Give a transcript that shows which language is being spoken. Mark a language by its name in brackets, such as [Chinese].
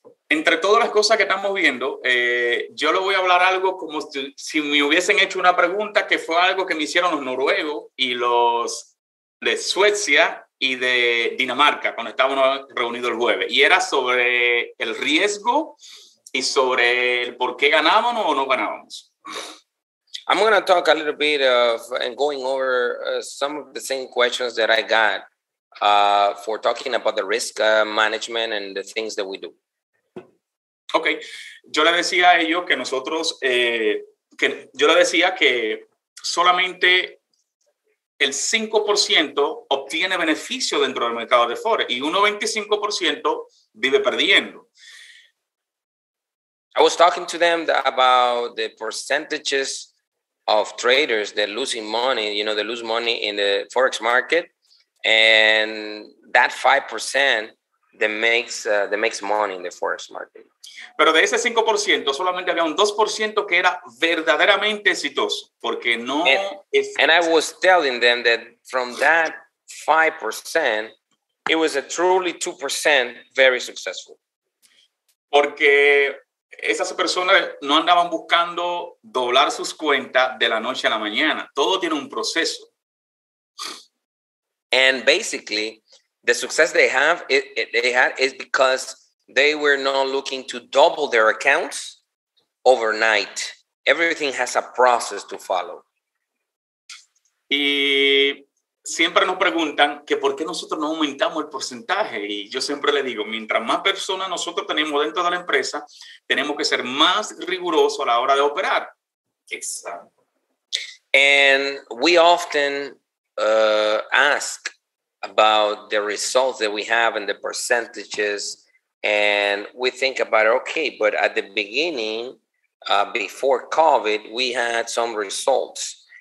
[Spanish] Entre todas las cosas que estamos viendo, yo le voy a hablar algo como si me hubiesen hecho una pregunta, que fue algo que me hicieron los noruegos y los de Suecia y de Dinamarca cuando estábamos reunidos el jueves. Y era sobre el riesgo y sobre el por qué ganábamos o no ganábamos. [English] I'm going to talk a little bit of and going over some of the same questions that I got for talking about the risk management and the things that we do. Okay. [Spanish] Yo le decía a ellos que nosotros, que yo le decía que solamente el 5% obtiene beneficio dentro del mercado de Forex y 1.25% vive perdiendo. [English] I was talking to them about the percentages of traders that losing money, you know, they lose money in the Forex market, and that 5% that makes money in the Forex market. [Spanish] Pero de ese 5%, solamente había un 2% que era verdaderamente exitoso, porque no... [English] And I was telling them that from that 5%, it was a truly 2% very successful. [Spanish] Porque esas personas no andaban buscando doblar sus cuentas de la noche a la mañana. Todo tiene un proceso. [English] And basically, the success they have, they had is because they were not looking to double their accounts overnight. Everything has a process to follow. [Spanish] Y siempre nos preguntan que por qué nosotros no aumentamos el porcentaje. Y yo siempre le digo, mientras más personas nosotros tenemos dentro de la empresa, tenemos que ser más rigurosos a la hora de operar. Exacto. [English] And we often ask about the results that we have and the percentages. And we think about, okay, but at the beginning, before COVID, we had some results.